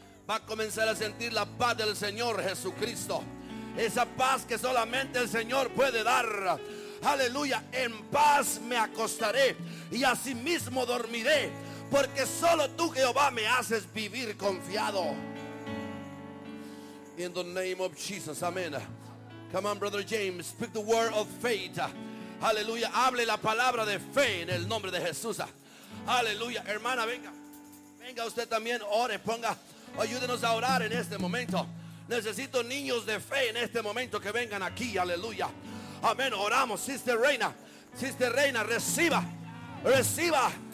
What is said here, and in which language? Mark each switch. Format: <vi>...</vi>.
<es>Va a comenzar a sentir la paz del Señor Jesucristo, esa paz que solamente el Señor puede dar, aleluya. En paz me acostaré y asimismo dormiré, porque solo tú, Jehová, me haces vivir confiado.</es> <en>In the name of Jesus, amen. Come on, Brother James, speak the word of faith.</en> <es>Aleluya, hable la palabra de fe en el nombre de Jesús. Aleluya, hermana, venga. Venga usted también, ore, ponga. Ayúdenos a orar en este momento. Necesito niños de fe en este momento que vengan aquí, aleluya. Amén, oramos, Sister Reina, reciba, reciba.</es>